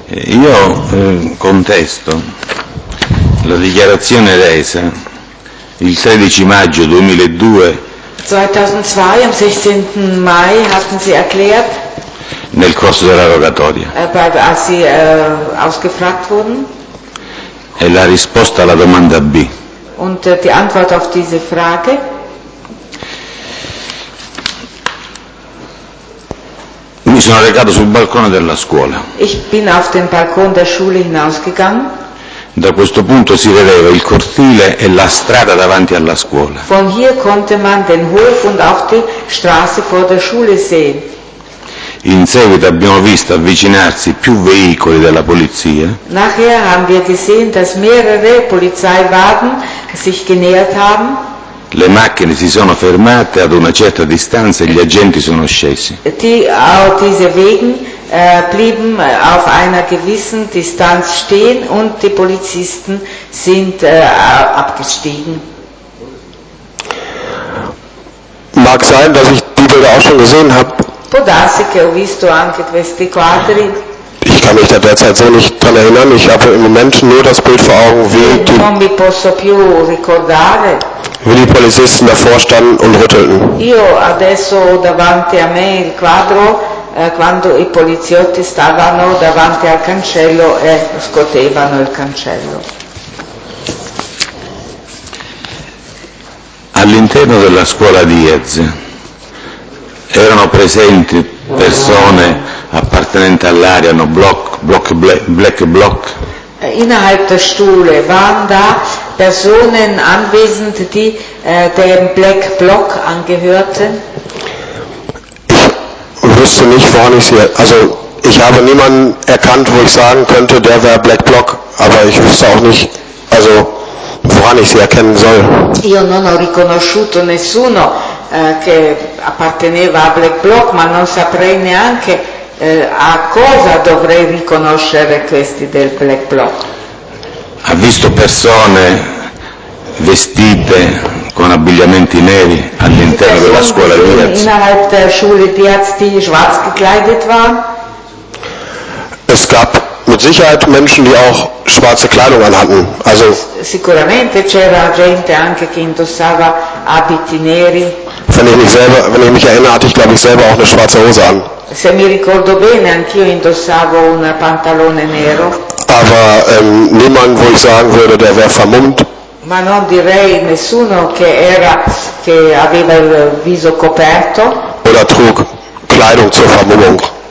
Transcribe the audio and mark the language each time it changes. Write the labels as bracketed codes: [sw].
[it] Io contesto la dichiarazione resa il 16 maggio 2002. [de] 2002, am 16. Mai hatten Sie erklärt, [it] nel corso della rogatoria, [de] als Sie ausgefragt wurden, [it] e la risposta alla domanda B. [de] Und die Antwort auf diese Frage. [it] Mi sono recato sul balcone della scuola. [de] Ich bin auf den Balkon der Schule hinausgegangen. [it] Da questo punto si vedeva il cortile e la strada davanti alla scuola. [de] Von hier konnte man den Hof und auch die Straße vor der Schule sehen. [it] In seguito abbiamo visto avvicinarsi più veicoli della polizia. [de] Nachher haben wir gesehen, dass mehrere Polizeiwagen sich genähert haben. [it] Le macchine si sono fermate ad una certa distanza e gli agenti sono scesi. [de] Diese Wegen blieben auf einer gewissen Distanz stehen und die Polizisten sind abgestiegen. Mag sein, dass ich die Bilder auch schon gesehen habe. [it] Può darsi che ho visto anche questi quadri. [de] Ich kann mich da derzeit so nicht dran erinnern. Ich habe im Moment nur das Bild vor Augen, wie die Polizisten davor standen und rüttelten. [it] Io adesso davanti a me il quadro quando i poliziotti stavano davanti al cancello e scotevano il cancello. All'interno della scuola Diaz erano presenti persone appartenenti all'area, no black block. [de] Innerhalb der Schule waren da Personen anwesend, die dem Black Block angehörten. Ich wüsste nicht, woran ich sie. Also ich habe niemanden erkannt, wo ich sagen könnte, der wäre Black Block, aber ich wüsste auch nicht, also woran ich sie erkennen soll. [it] Io non ho riconosciuto nessuno che apparteneva a Black Block, ma non saprei neanche a cosa dovrei riconoscere questi del Black Block. Ha visto persone vestite con abbigliamenti neri all'interno della scuola Diaz? [de] Innerhalb der Schule Diaz, die schwarz gekleidet waren? Es gab mit Sicherheit Menschen, die auch schwarze Kleidung anhatten. Also [it] sicuramente c'era gente anche che indossava abiti neri. [de] Wenn ich mich erinnere, hatte ich, glaube ich, selber auch eine schwarze Hose an. [it] Se mi ricordo bene, anch'io indossavo un pantalone nero. [de] Aber niemand, wo ich sagen würde, der wäre vermummt. [it] Ma non direi nessuno che aveva il viso coperto. [de] Oder trug Kleidung zur Vermummung.